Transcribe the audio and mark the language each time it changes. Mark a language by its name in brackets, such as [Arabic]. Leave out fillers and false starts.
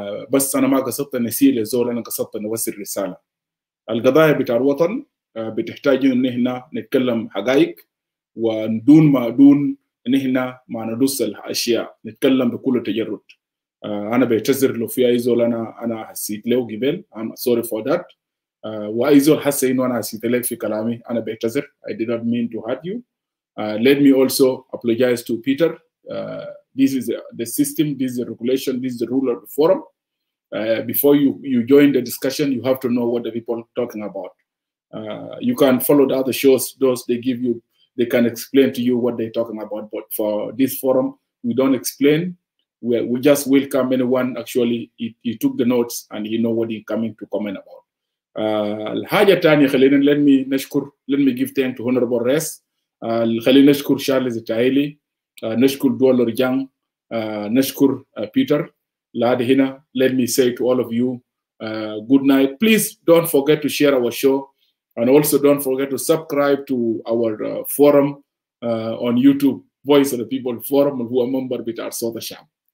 [Arabic] بس أنا ما قصدت نسي لزول أنا قصدت نوصل الرسالة. القضايا بتاع الوطن بتحتاج إن إحنا نتكلم حقائق ودون ما دون إن إحنا ما ندوس الأشياء نتكلم بكل تجرد. أنا بعتذر لو في أيزول أنا حسيت لو قبل. [English] I'm sorry for that. [Arabic] وأيزول حس إنه أنا حسيت لك في كلامي أنا بعتذر. [English] I did not mean to hurt you. Let me also apologize to Peter. This is the system, this is the regulation, this is the rule of the forum. Before you join the discussion, you have to know what the people are talking about. You can follow the other shows, those they give you, they can explain to you what they're talking about. But for this forum, we don't explain. We just welcome anyone. Actually, he took the notes and he know what he's coming to comment about. [Arabic] الحاجة التانية خلينا [English] let me give thanks to Honorable Res. [Arabic] خلينا نشكر Charles Itaheli. نشكر دول رجان. نشكر Peter. لاد هنا. [English] Let me say to all of you, good night. Please don't forget to share our show. And also don't forget to subscribe to our forum on YouTube, Voice of the People Forum, who are members of our South Asham.